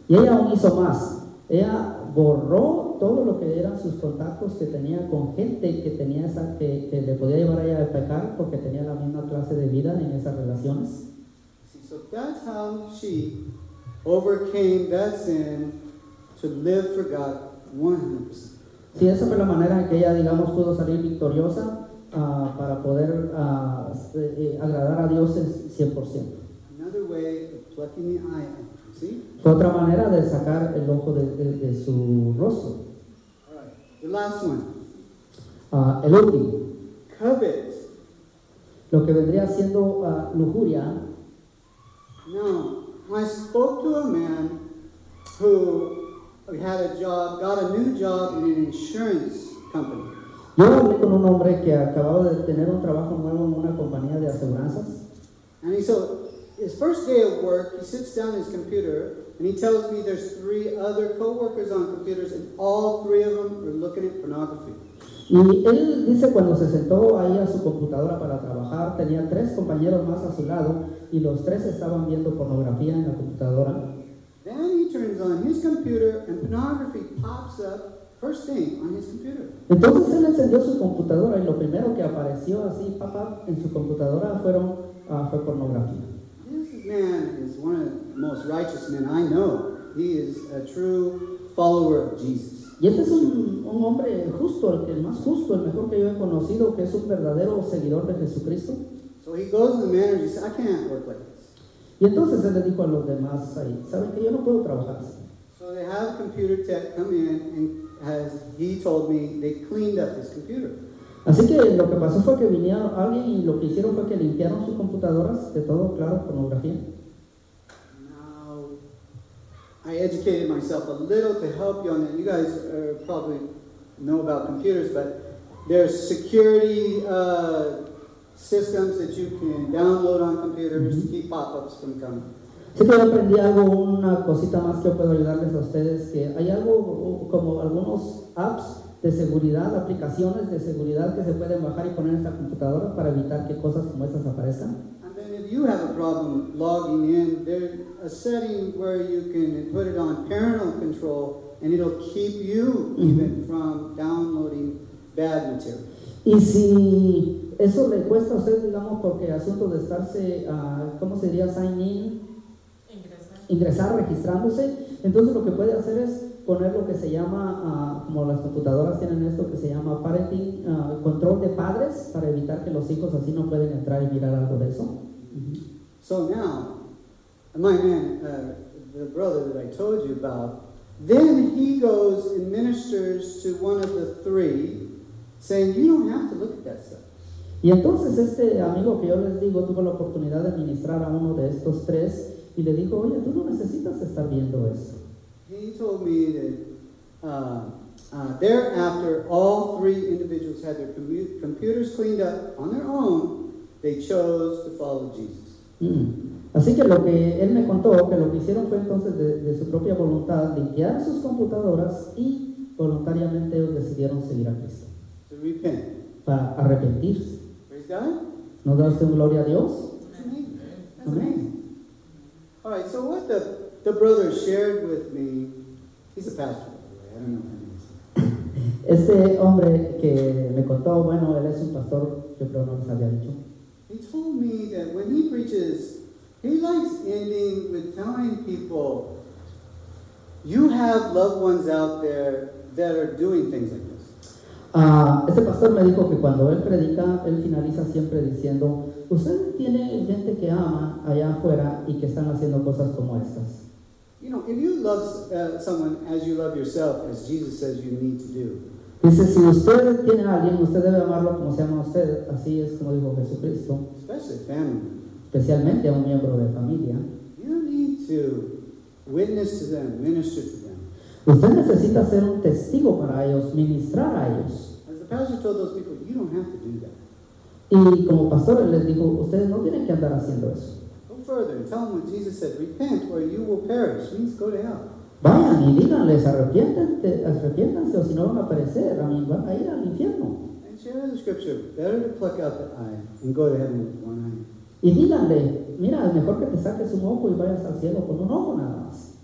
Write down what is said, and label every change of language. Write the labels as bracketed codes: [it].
[es] Y ella aún hizo más. Ella borró todo lo que eran sus contactos que tenía con gente que tenía esa que le podía llevar a ella a pecar porque tenía la misma clase de vida en esas relaciones. [en] See, so that's how she overcame that sin to live for God 100%. [es] Sí, esa fue la manera en que ella, digamos, pudo salir victoriosa para poder agradar a Dios 100%. [en] Another way of plucking the eye out. [es] ¿Sí? Fue otra manera de sacar el ojo de su rostro. [en] Right. The last one. [es] El último. [en] Covet. [es] Lo que vendría siendo lujuria. [en] No, I spoke to a man who had a job, got a new job in an insurance company. [es] Yo hablé con un hombre que acababa de tener un trabajo nuevo en una compañía de aseguranzas. [en] And he said, his first day of work, he sits down at his computer and he tells me there's three other coworkers on computers and all three of them are looking at pornography. [es] Y él dice cuando se sentó ahí a su computadora para trabajar, tenía tres compañeros más a su lado y los tres estaban viendo pornografía en la computadora. [en] Then he turns on his computer and pornography pops up first thing on his computer. [es] Entonces él encendió su computadora y lo primero que apareció así, papá, en su computadora fue pornografía. [en] Man is one of the most righteous men I know. He is a true follower of Jesus. [es] Y este es un hombre justo, el más justo, el mejor que yo he conocido, que es un verdadero seguidor de Jesucristo. [en] So he goes to the manager and says, I can't work like this. [es] Y entonces él le dijo a los demás ahí, ¿saben que yo no puedo trabajar así? [en] So they have computer tech come in and as he told me, they cleaned up his computer. [es] Así que lo que pasó fue que vinía alguien y lo que hicieron fue que limpiaron sus computadoras de todo, claro, pornografía. [en] Now, I educated myself a little to help you on that. You guys probably know about computers, but there's security systems that you can download on computers to keep pop-ups from coming. [es] Sí que aprendí algo, una cosita más que puedo ayudarles a ustedes, que hay algo como algunos apps de seguridad, aplicaciones de seguridad que se pueden bajar y poner en esta computadora para evitar que cosas como estas aparezcan. [en] And then if you have a problem logging in, there's a setting where you can put it on parental control and it'll keep you even from downloading bad material. [es] Y si eso le cuesta a usted, digamos, porque asunto de estarse, ¿cómo sería sign in? Ingresar, registrándose. Entonces lo que puede hacer es poner lo que se llama, como las computadoras tienen esto, que se llama parenting, control de padres, para evitar que los hijos así no pueden entrar y mirar algo de eso. [en] So now, my man, the brother that I told you about, then he goes and ministers to one of the three, saying, you don't have to look at that stuff. [es] Y entonces este amigo que yo les digo tuvo la oportunidad de ministrar a uno de estos tres y le dijo, oye, tú no necesitas estar viendo esto. [en] He told me that thereafter, all three individuals had their computers cleaned up on their own. They chose to follow Jesus. [es] Así que lo que él me contó, que lo que hicieron fue entonces de su propia voluntad limpiar sus computadoras y voluntariamente ellos decidieron seguir a Cristo. [en] To repent. [es] Para arrepentirse. [en] Praise God. [es] ¿No da usted gloria a Dios? [en] Amen. All right, so what the... The brother shared with me, he's a pastor, I don't know [es] if Este hombre que me contó, bueno, él es un pastor, yo creo no les había dicho. [en] He told me that when he preaches, he likes ending with telling people, you have loved ones out there that are doing things like this. [es] Este pastor me dijo que cuando él predica, él finaliza siempre diciendo, usted tiene gente que ama allá afuera y que están haciendo cosas como estas. [en] You know, if you love someone as you love yourself, as Jesus says you need to do. [es] Dice, si usted tiene a alguien, usted debe amarlo como se ama usted, así es como dijo Jesucristo. [en] Especially family. [es] Especialmente a un miembro de familia. [en] You need to witness to them, minister to them. [es] Usted necesita ser un testigo para ellos, ministrar a ellos. [en] As the pastor told those people, you don't have to do that. [es] Y como pastor les dijo, ustedes no tienen que andar haciendo eso. [en] Further, tell them what Jesus said, repent or you will perish, means go to hell. [es] Vayan y díganles, arrepiéntanse o si no van a perecer, van a ir al infierno. [en] And share the scripture, better to pluck out the eye and go to heaven with one eye. [es] Y díganle, mira, mejor que te saques un ojo y vayas al cielo con un ojo nada más.